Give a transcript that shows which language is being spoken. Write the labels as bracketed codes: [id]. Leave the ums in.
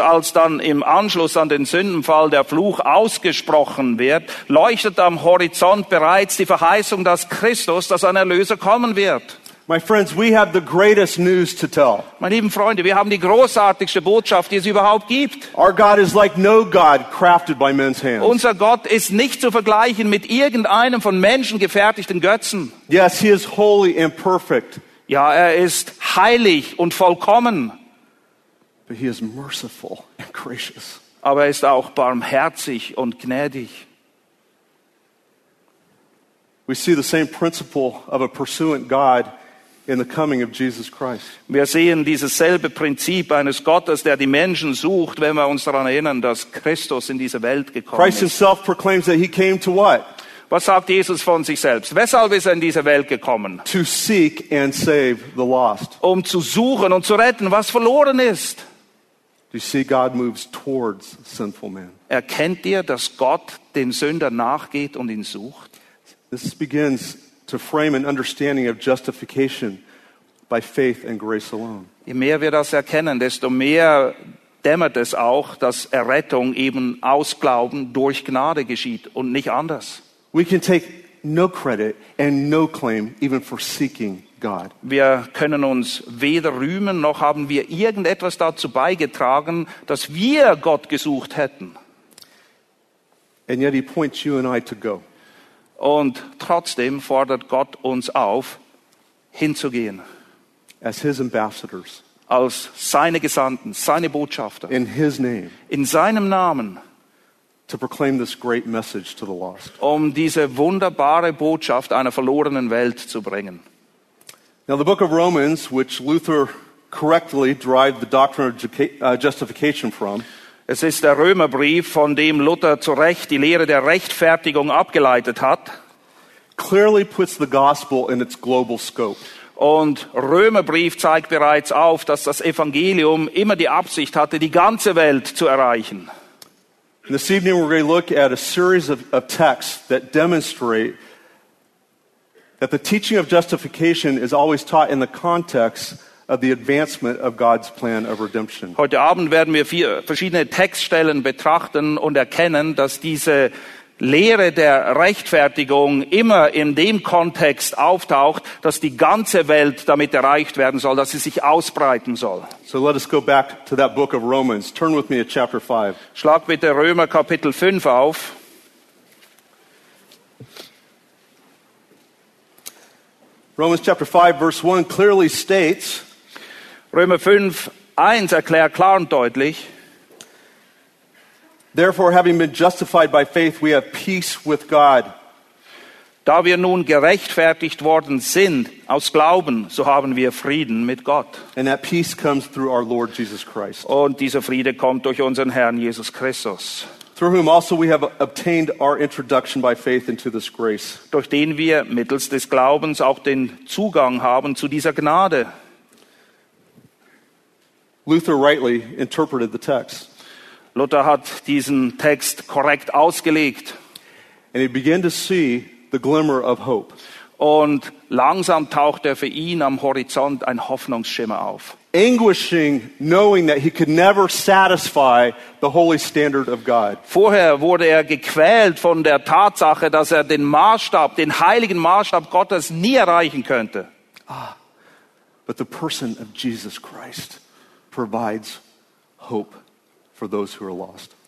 [de] als dann im Anschluss an den Sündenfall der Fluch ausgesprochen wird, leuchtet am Horizont bereits die Verheißung, dass Christus, dass ein Erlöser kommen wird. [en] My friends, we have the greatest news to tell. [de] Meine lieben Freunde, wir haben die großartigste Botschaft, die es überhaupt gibt. [en] Our God is like no God crafted by men's hands. [de] Unser Gott ist nicht zu vergleichen mit irgendeinem von Menschen gefertigten Götzen. [en] Yes, he is holy and perfect. [de] Ja, er ist heilig und vollkommen. [en] But he is merciful and gracious. [de] Aber er ist auch barmherzig und gnädig. [en] We see the same principle of a pursuant God. in the coming of Jesus Christ. [de] Wir sehen dieses selbe Prinzip eines Gottes, der die Menschen sucht, wenn wir uns daran erinnern, dass Christus in diese Welt gekommen Christ ist. [en] Christ himself proclaims that he came to what? [de] Was sagt Jesus von sich selbst? Weshalb ist in diese Welt gekommen? To [en] seek and save the lost. [de] Um zu suchen und zu retten, was verloren ist. [en] Do you see, God moves towards sinful men? [de] Erkennt ihr, dass Gott den Sünder nachgeht und ihn sucht? [en] This begins [de] Je mehr wir das erkennen, desto mehr dämmert es auch, dass Errettung eben aus Glauben durch Gnade geschieht und nicht anders. [en] We can take no credit and no claim even for seeking God. [de] Wir können uns weder rühmen noch haben wir irgendetwas dazu beigetragen, dass wir Gott gesucht hätten. [en] And yet he points you and I to go. [de] Und trotzdem fordert Gott uns auf, hinzugehen. [en] As his ambassadors. [de] Als seine Gesandten, seine Botschafter. [en] In, his name. [de] In seinem Namen. [en] To proclaim this great message to the lost. [de] Um diese wunderbare Botschaft einer verlorenen Welt zu bringen. [en] Now the book of Romans, which Luther correctly derived the doctrine of justification from. [de] Es ist der Römerbrief, von dem Luther zu Recht die Lehre der Rechtfertigung abgeleitet hat. [en] Clearly puts the gospel in its global scope. [de] Und Römerbrief zeigt bereits auf, dass das Evangelium immer die Absicht hatte, die ganze Welt zu erreichen. [en] This evening we're going to look at a series of, of, texts that demonstrate that the teaching of justification is always taught in the context of Of the advancement of God's plan of redemption. [de] Heute Abend werden wir vier verschiedene Textstellen betrachten und erkennen, dass diese Lehre der Rechtfertigung immer in dem Kontext auftaucht, dass die ganze Welt damit erreicht werden soll, dass sie sich ausbreiten soll. [en] So let us go back to that book of Romans. Turn with me to chapter 5. [de] Schlag bitte Römer Kapitel 5 auf. [en] Romans chapter 5 verse 1 clearly states [de] Römer 5, 1 erklärt klar und deutlich. [en] Therefore, having been justified by faith, we have peace with God. [de] Da wir nun gerechtfertigt worden sind aus Glauben, so haben wir Frieden mit Gott. [en] And that peace comes through our Lord Jesus Christ. [de] Und dieser Friede kommt durch unseren Herrn Jesus Christus. [en] Through whom also we have obtained our introduction by faith into this grace. [de] Durch den wir mittels des Glaubens auch den Zugang haben zu dieser Gnade. [en] Luther rightly interpreted the text. [de] Luther hat diesen Text korrekt ausgelegt. [en] And he began to see the glimmer of hope. And [de] langsam tauchte für ihn am Horizont ein Hoffnungsschimmer auf. [en] Anguishing, knowing that he could never satisfy the holy standard of God. [de] Vorher wurde er gequält von der Tatsache, dass er den Maßstab, den heiligen Maßstab Gottes nie erreichen könnte. [en] Ah, but the person of Jesus Christ provides hope for those who are lost.